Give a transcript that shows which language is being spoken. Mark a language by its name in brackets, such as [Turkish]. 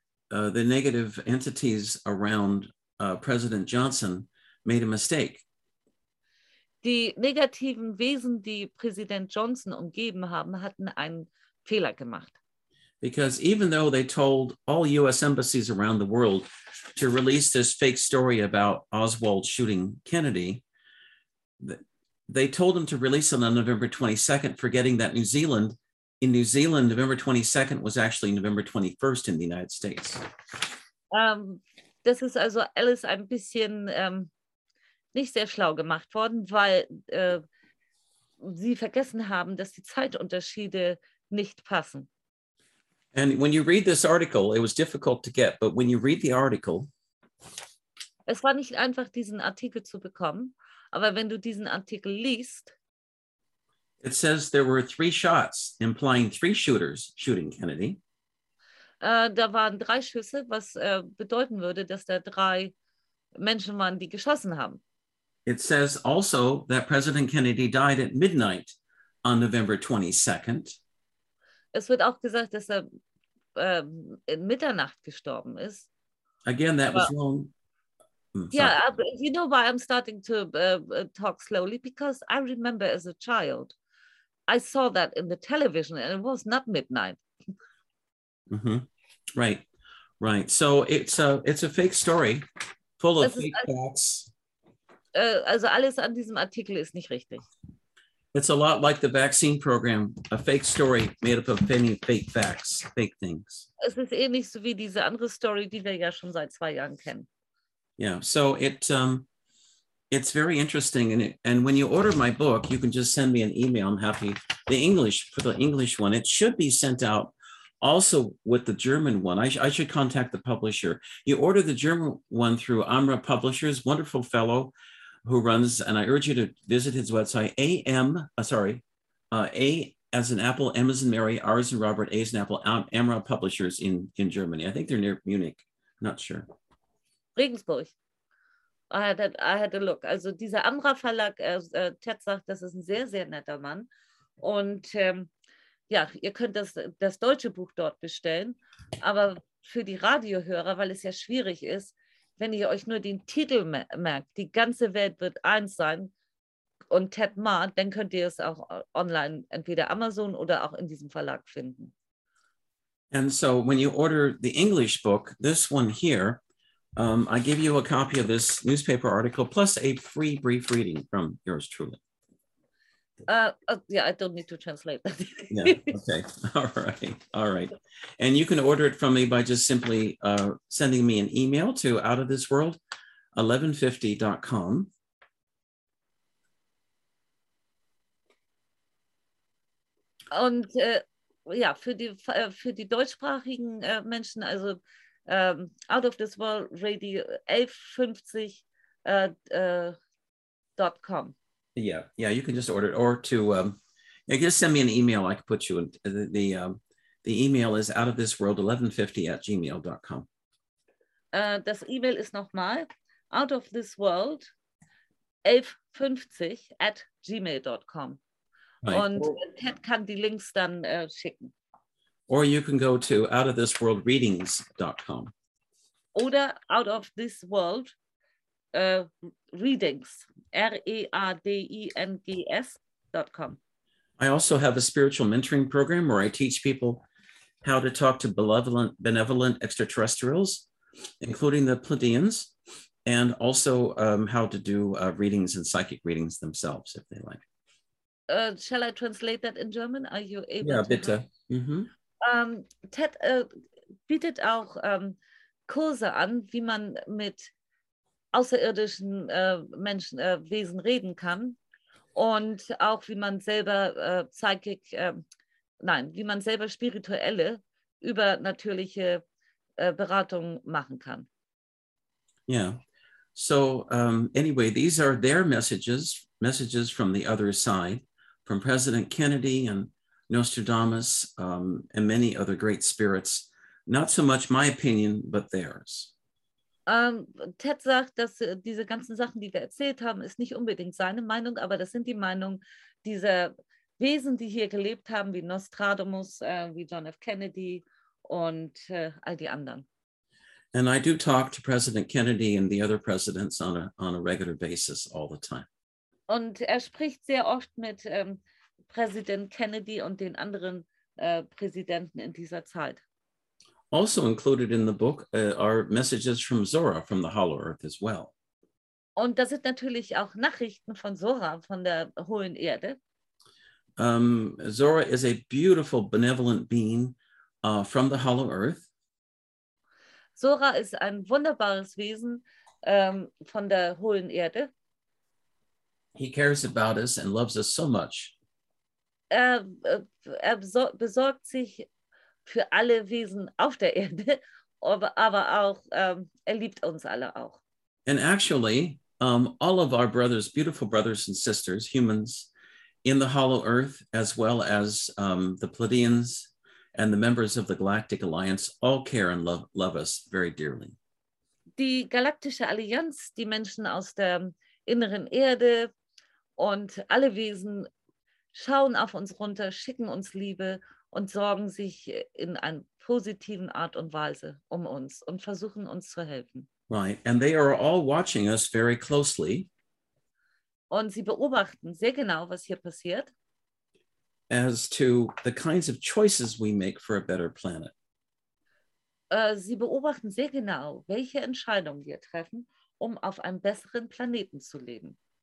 [English] And the negative entities around President Johnson made a mistake. [German] Die negativen Wesen, die Präsident Johnson umgeben haben, hatten einen Fehler gemacht. [English] Because even though they told all U.S. embassies around the world to release this fake story about Oswald shooting Kennedy, they told them to release it on November 22nd, forgetting that New Zealand, November 22nd was actually November 21st in the United States. [German] Das ist also alles ein bisschen nicht sehr schlau gemacht worden, weil sie vergessen haben, dass die Zeitunterschiede nicht passen. [English] And when you read this article, it was difficult to get, but when you read the article. [German] Es war nicht einfach, diesen Artikel zu bekommen, aber wenn du diesen Artikel liest. [English] It says there were three shots, implying three shooters shooting Kennedy. [German] Da waren drei Schüsse, was bedeuten würde, dass da drei Menschen waren, die geschossen haben. [English] It says also that President Kennedy died at midnight on November 22nd. [German] Es wird auch gesagt, dass er in Mitternacht gestorben ist. [English] Again, that was wrong. You know why I'm starting to talk slowly? Because I remember as a child, I saw that in the television and it was not midnight. Mm-hmm. Right, right. So it's a fake story full of fake facts. [German] Also alles an diesem Artikel ist nicht richtig. [English] It's a lot like the vaccine program, a fake story made up of many fake facts, fake things. [German] Es ist ähnlich so wie diese andere Story, die wir ja schon seit 2 Jahren kennen. [English] Yeah, so it's very interesting. And when you order my book, you can just send me an email. I'm happy. The English, for the English one, it should be sent out also with the German one. I should contact the publisher. You order the German one through Amra Publishers, wonderful fellow who runs, and I urge you to visit his website, A as in Apple, M as in Mary, R as in Robert, A as in Apple, Amra Publishers in Germany. I think they're near Munich. Not sure. Regensburg. I had a look. [German] Also dieser Amra Verlag, Ted sagt, das ist ein sehr, sehr netter Mann. Und ja, ihr könnt das deutsche Buch dort bestellen. Aber für die Radiohörer, weil es ja schwierig ist, wenn ihr euch nur den Titel merkt, die ganze Welt wird eins sein und Ted Mahr, dann könnt ihr es auch online, entweder Amazon oder auch in diesem Verlag finden. [English] And so when you order the English book, this one here, I give you a copy of this newspaper article plus a free brief reading from yours truly. I don't need to translate that. Yeah, okay. All right. And you can order it from me by just simply sending me an email to outofthisworld1150.com. [German] Und für die deutschsprachigen Menschen, also Out of This World Radio 1150.com. [English] Yeah, you can just order it or to just send me an email. I can put you in the email is outofthisworld1150@gmail.com. [German] Das E-Mail ist nochmal outofthisworld1150@gmail.com. [English] Right. [German] Und Ted kann die Links dann schicken. [English] Or you can go to outofthisworldreadings.com. [German] Oder outofthisworld.com. Readings, readings.com. [English] I also have a spiritual mentoring program where I teach people how to talk to benevolent extraterrestrials, including the Pleiadians, and also how to do readings and psychic readings themselves, if they like. Shall I translate that in German? Are you able to? Yeah, bitte. Mm-hmm. [German] Ted bietet auch Kurse an, wie man mit außerirdischen Menschen, Wesen reden kann und auch wie man selber spirituelle übernatürliche Beratung machen kann. [English] Yeah. So anyway, these are their messages from the other side, from President Kennedy and Nostradamus and many other great spirits. Not so much my opinion, but theirs. [German] Ted sagt, dass diese ganzen Sachen, die wir erzählt haben, ist nicht unbedingt seine Meinung, aber das sind die Meinungen dieser Wesen, die hier gelebt haben, wie Nostradamus, wie John F. Kennedy und all die anderen. [English] And I do talk to President Kennedy and the other presidents on a regular basis all the time. [German] Und er spricht sehr oft mit Präsident Kennedy und den anderen Präsidenten in dieser Zeit. [English] Also included in the book are messages from Zora, from the Hollow Earth as well. [German] Und da sind natürlich auch Nachrichten von Zora, von der Hohen Erde. [English] Zora is a beautiful, benevolent being from the Hollow Earth. [German] Zora ist ein wunderbares Wesen von der Hohen Erde. [English] He cares about us and loves us so much. [German] Er besorgt sich für alle Wesen auf der Erde, aber auch er liebt uns alle auch. [English] And actually, all of our brothers, beautiful brothers and sisters, humans, in the Hollow Earth, as well as the Pleiadians and the members of the Galactic Alliance, all care and love us very dearly. [German] Die Galaktische Allianz, die Menschen aus der inneren Erde und alle Wesen schauen auf uns runter, schicken uns Liebe und sorgen sich in einer positiven Art und Weise um uns und versuchen uns zu helfen. [English] Right, and they are all watching us very closely. [German] Und sie beobachten sehr genau, was hier passiert. [English] As to the kinds of choices we make for a better planet. [German] Sie beobachten sehr genau, welche Entscheidungen wir treffen, um auf einem besseren Planeten zu leben.